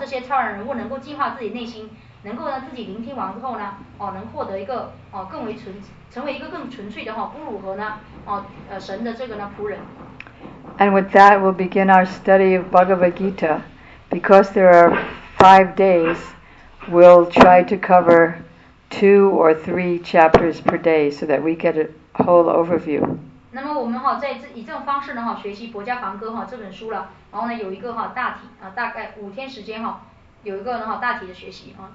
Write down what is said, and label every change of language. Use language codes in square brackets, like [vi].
[zh] 那么在讲课之前呢，讲经者和呢听经者实际上呢都应该说出这个祷文呢。那么说出这个祷文的意思呢，就是说呢，讲经者呢要求呢，说出这个祷文的时候呢，恳求呢能够呢，就是去呢，这个这些人物能够去修饰和呢美化他的这个讲经也就是说是他们来讲的，而不是自己讲。那么呢，听经者的话呢，也恳求呢这些超然人物能够净化自己内心。 [en] And with that, we'll begin our study of Bhagavad Gita. Because there are 5 days, we'll try to cover 2 or 3 chapters per day so that we get a whole overview. [zh] 那么我们在以这种方式学习《博伽梵歌》这本书了，然后有一个大体，大概5天时间，有一个大体的学习。